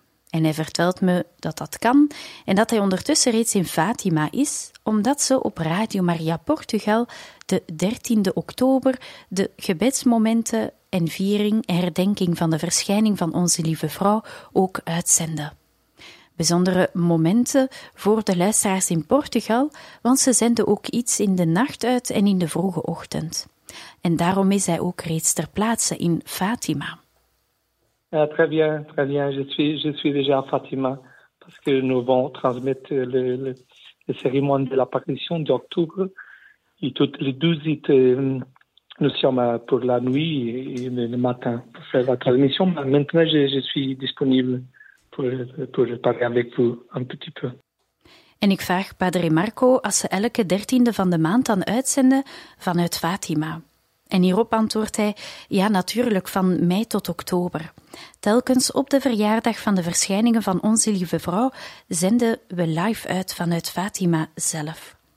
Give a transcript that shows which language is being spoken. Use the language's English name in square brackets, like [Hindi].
[Dutch] En hij vertelt me dat dat kan en dat hij ondertussen reeds in Fatima is, omdat ze op Radio Maria Portugal de 13e oktober de gebedsmomenten en viering en herdenking van de verschijning van Onze Lieve Vrouw ook uitzenden. Bijzondere momenten voor de luisteraars in Portugal, want ze zenden ook iets in de nacht uit en in de vroege ochtend. En daarom is hij ook reeds ter plaatse in Fatima. [French] Ah, très bien, très bien. Je suis déjà à Fatima parce que nous allons transmettre le cérémonie de l'apparition d'octobre. Et toutes les 12 heures, nous sommes pour la nuit et le matin pour faire la transmission. Maintenant, je suis disponible pour parler avec vous un petit peu. [Dutch] En ik vraag Padre Marco als ze elke 13e van de maand dan uitzenden vanuit Fatima. En hierop antwoordt hij, ja natuurlijk, van mei tot oktober. Telkens op de verjaardag van de verschijningen van Onze Lieve Vrouw zenden we live uit vanuit Fatima zelf.